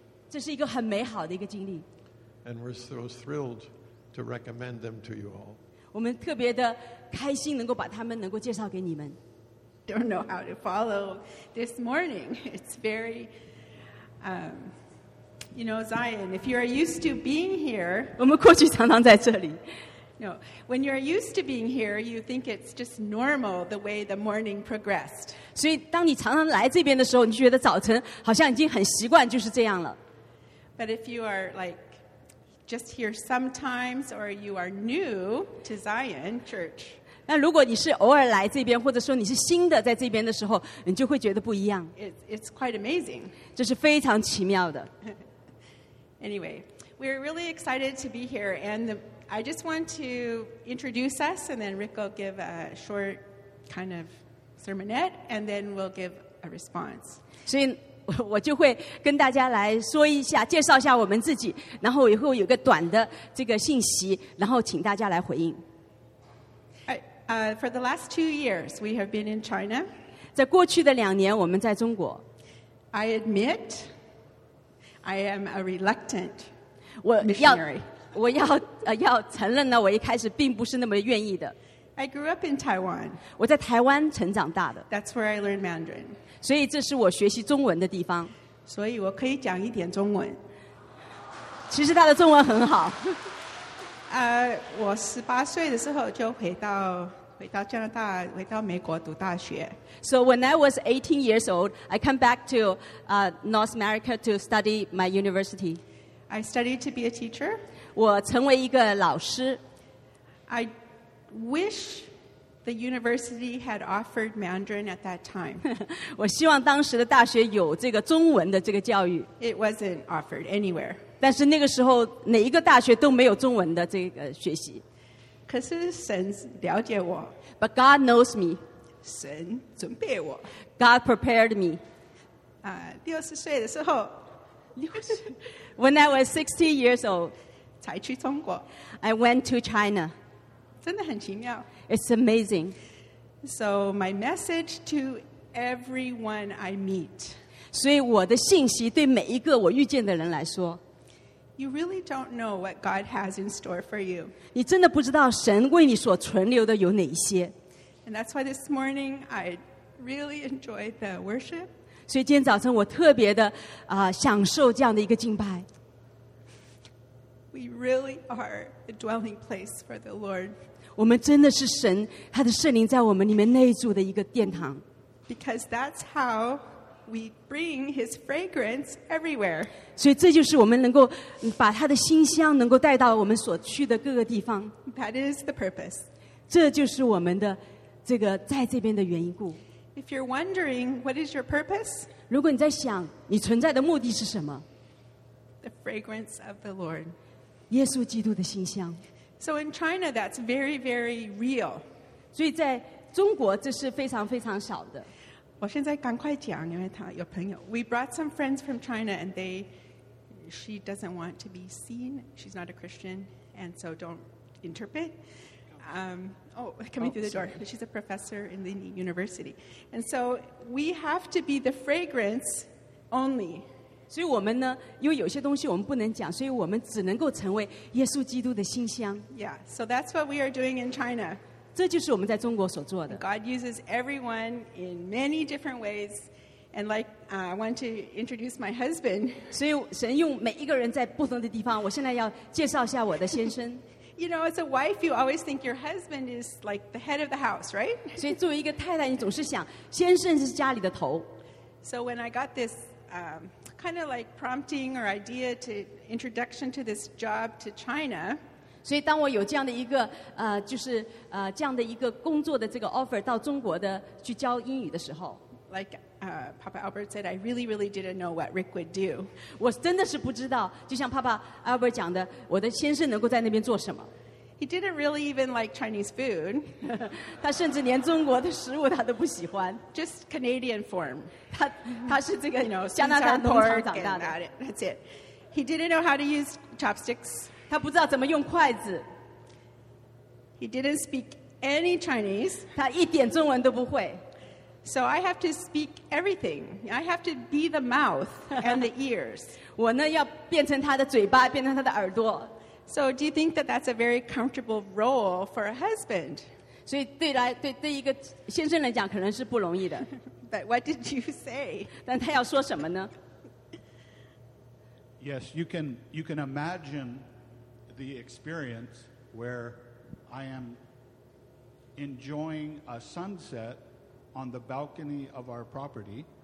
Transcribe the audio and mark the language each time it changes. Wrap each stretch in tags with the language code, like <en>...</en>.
<zh>这是一个很美好的一个经历。</zh> <en>And we're so thrilled to recommend them to you all.</en> <zh>我们特别的开心能够把他们能够介绍给你们。</zh> <en>Don't know how to follow this morning. It's very, you know, Zion, if you're used to being here,</en> <zh>我们过去常常在这里。</zh> <en>No, when you're used to being here, you think it's just normal the way the morning progressed.</en> <zh>所以当你常常来这边的时候，你就觉得早晨好像已经很习惯就是这样了。</zh> <en>But if you are like just here sometimes, or you are new to Zion Church,</en> <zh>那如果你是偶尔来这边，或者说你是新的在这边的时候，你就会觉得不一样。</zh> <en>It's quite amazing.</en> <zh>这是非常奇妙的。</zh> <en>Anyway, we're really excited to be here, and I just want to introduce us, and then Rick will give a short kind of sermonette, and then we'll give a response.</en> <zh>所以我就会跟大家来说一下，介绍一下我们自己，然后以后有个短的这个信息，然后请大家来回应。</zh> <en>For the last 2 years, we have been in China.</en> <zh>在过去的两年，我们在中国。</zh> <en>I admit, I am a reluctant missionary.</en> <zh>我要承认呢，我一开始并不是那么愿意的。</zh> <en>I grew up in Taiwan.</en> <zh>我在台湾成长大的。</zh> <en>That's where I learned Mandarin.</en> <zh>所以这是我学习中文的地方。所以我可以讲一点中文。其实他的中文很好。我十八岁的时候就回到加拿大，回到美国读大学。</zh> <en>So when I was 18 years old, I came back to North America to study my university. I studied to be a teacher.</en> <zh>我成为一个老师。</zh> <en>I wish the university had offered Mandarin at that time.</en> <zh>我希望当时的大学有这个中文的这个教育。</zh> <en>It wasn't offered anywhere.</en> <zh>但是那个时候哪一个大学都没有中文的这个学习。可是神了解我。</zh> <en>But God knows me.</en> <zh>神准备我。</zh> <en>God prepared me.</en> <zh>60岁的时候。</zh> <en>When I was 60 years old.</en> <zh>才去中国。</zh> <en>I went to China.</en> <zh>真的很奇妙。</zh> <en>It's amazing. So my message to everyone I meet.</en> <zh>所以我的信息对每一个我遇见的人来说。</zh> <en>You really don't know what God has in store for you.</en> <zh>你真的不知道神为你所存留的有哪一些。</zh> <en>And that's why this morning I really enjoyed the worship.</en> <zh>所以今天早晨我特别的享受这样的一个敬拜。</zh> <en>We really are a dwelling place for the Lord.</en> <zh>我们真的是神，他的圣灵在我们里面内住的一个殿堂。</zh> <en>Because that's how. We bring His fragrance everywhere.</en> <zh>所以这就是我们能够把他的馨香能够带到我们所去的各个地方。</zh> <en>That is the purpose.</en> <zh>这就是我们的这个在这边的缘故。</zh> <en>If you're wondering what is your purpose,</en> <zh>如果你在想你存在的目的是什么</zh> <en>？The fragrance of the Lord.</en> <zh>耶稣基督的馨香。</zh> <en>So in China, that's very, very real.</en> <zh>所以在中国这是非常非常少的。我现在赶快讲，因为他有朋友。</zh> <en>We brought some friends from China, and she doesn't want to be seen. She's not a Christian, and so don't interpret. Coming through the door. She's a professor in the university, and so we have to be the fragrance only.</en> <zh>所以我们呢，因为有些东西我们不能讲，所以我们只能够成为耶稣基督的馨香。</zh> <en>Yeah, so that's what we are doing in China.</en> <zh>这就是我们在中国所做的。</zh> <en>God uses everyone in many different ways, and like I want to introduce my husband.</en> <zh>所以神用每一个人在不同的地方。我现在要介绍一下我的先生。</zh> <en>You know, as a wife, you always think your husband is like the head of the house, right?</en> <zh>所以作为一个太太，你总是想先生是家里的头。</zh> <en>So when I got this kind of like prompting or idea to introduction to this job to China,</en> <zh>所以当我有这样的一个工作的这个offer到中国的去教英语的时候,</zh> <en>like Papa Albert said, I really, really didn't know what Rick would do.</en> <zh>我真的是不知道，就像Papa Albert讲的，我的先生能够在那边做什么。</zh> <en>He didn't really even like Chinese food.</en> <zh>他甚至连中国的食物他都不喜欢.</zh> <en>Just Canadian form.</en> <zh>他是这个,</zh> <en>you know, That's it. He didn't know how to use chopsticks.</en> <zh>他不知道怎么用筷子.</zh> <en>He didn't speak any Chinese.</en> <zh>他一点中文都不会.</zh> <en>So I have to speak everything. I have to be the mouth and the ears.</en> <zh>我呢要变成他的嘴巴，变成他的耳朵。</zh> <en>So do you think that that's a very comfortable role for a husband?</en> <zh>所以对一个先生来讲可能是不容易的。</zh> <en>But what did you say?</en> <zh>但他要说什么呢?</zh> <en>Yes, you can imagine the experience where I am enjoying a sunset on the balcony of our property.</en>